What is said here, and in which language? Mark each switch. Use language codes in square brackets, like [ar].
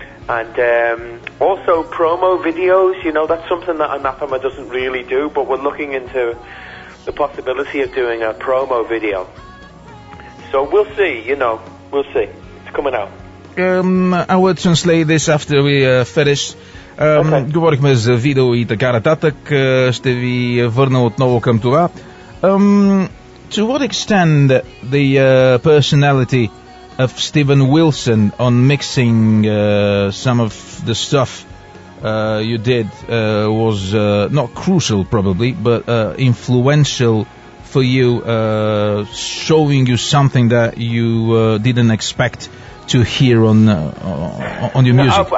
[en] And also promo videos, you know, that's something that Anathema doesn't really do, but we're looking into the possibility of doing a promo video. So we'll see, you know. We'll see. It's coming out. I will translate this after we finish. Okay. [bg] Говорихме за видео и така нататък. Ще ви върна отново към това. [en] To what extent the personality of Steven Wilson on mixing some of the stuff you did was not crucial, probably, but influential for you, showing you something that you didn't expect to hear on your music?